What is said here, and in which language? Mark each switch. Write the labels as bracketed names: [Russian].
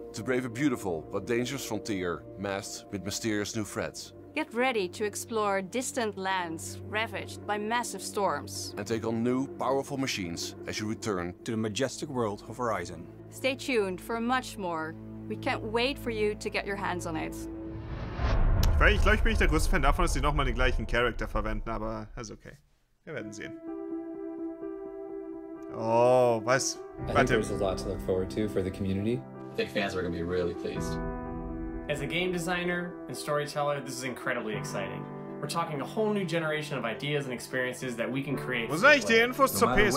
[English] To brave a beautiful but dangerous frontier, masked with mysterious new threats. Get ready to explore distant lands ravaged by massive storms. And take on new, powerful machines as you return to the majestic world of Horizon. Stay tuned for much more. We can't wait for you to get your hands on it. [German] Ich glaube, ich bin nicht der größte Fan davon, dass sie nochmal den gleichen Charakter verwenden, aber ist okay. Wir werden sehen. Oh, was? Warte. [English] I think there's a lot to look forward to for the community. I think fans are going to be really pleased. As a game designer and storyteller, this is incredibly exciting. We're talking a whole new generation of ideas and experiences that we can create. [German] Wo sind eigentlich die Infos zur PS5?